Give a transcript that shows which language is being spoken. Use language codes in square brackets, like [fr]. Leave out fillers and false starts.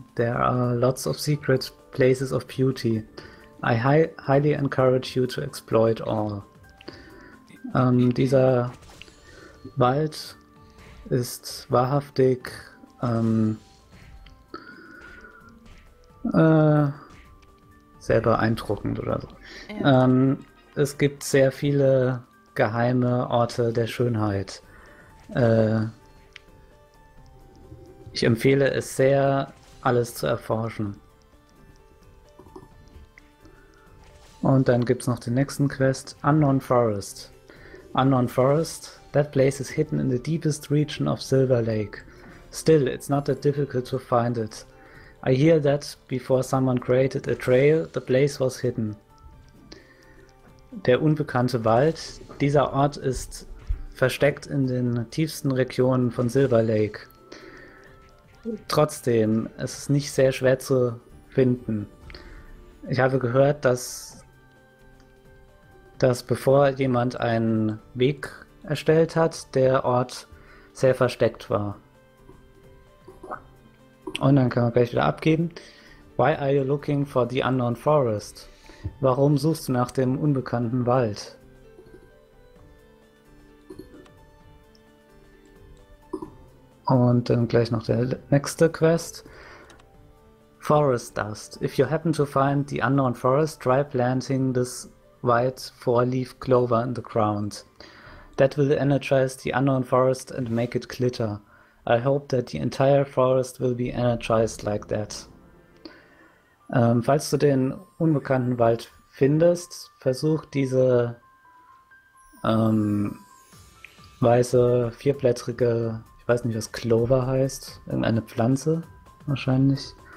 [en] There are lots of secret places of beauty. I highly encourage you to exploit all. [de] Dieser Wald ist wahrhaftig sehr beeindruckend oder so. Es gibt sehr viele geheime Orte der Schönheit. Ich empfehle es sehr, alles zu erforschen. Und dann gibt's noch den nächsten Quest, Unknown Forest. [en] Unknown Forest, that place is hidden in the deepest region of Silver Lake. Still, it's not that difficult to find it. I hear that before someone created a trail, the place was hidden. [de] Der unbekannte Wald, dieser Ort ist versteckt in den tiefsten Regionen von Silver Lake. Trotzdem, es ist nicht sehr schwer zu finden. Ich habe gehört, dass bevor jemand einen Weg erstellt hat, der Ort sehr versteckt war. Und dann kann man gleich wieder abgeben. [en] Why are you looking for the unknown forest? [de] Warum suchst du nach dem unbekannten Wald? Und dann gleich noch der nächste Quest. Forest Dust. [en] If you happen to find the unknown forest, try planting this white four-leaf clover in the ground. That will energize the unknown forest and make it glitter. I hope that the entire forest will be energized like that. [de] Falls du den unbekannten Wald findest, versuch diese weiße, vierblättrige, ich weiß nicht, was Clover heißt, irgendeine Pflanze wahrscheinlich.